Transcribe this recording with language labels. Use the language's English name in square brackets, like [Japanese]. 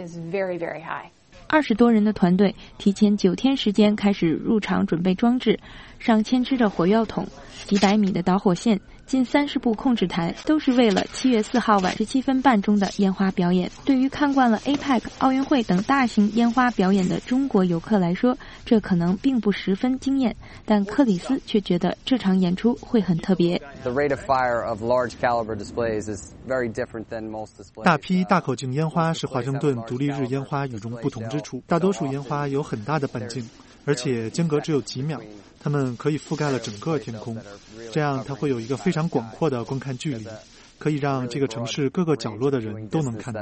[Chinese] 20多人的团队提前9天时间开始入场准备装置，上千支的火药桶，几百米的导火线，近30部控制台，都是为了7月4号晚17:30中的烟花表演。对于看惯了 APEC、奥运会等大型烟花表演的中国游客来说，这可能并不十分惊艳，但克里斯却觉得这场演出会很特别。 [English] The rate of fire of large caliber displays is very different than most displays. [Chinese] 大批大口径烟花是华盛顿独立日烟花与众不同之处。大多数烟花有很大的半径，而且间隔只有几秒。它们可以覆盖了整个天空，这样它会有一个非常广阔的观看距离，可以让这个城市各个角落的人都能看到。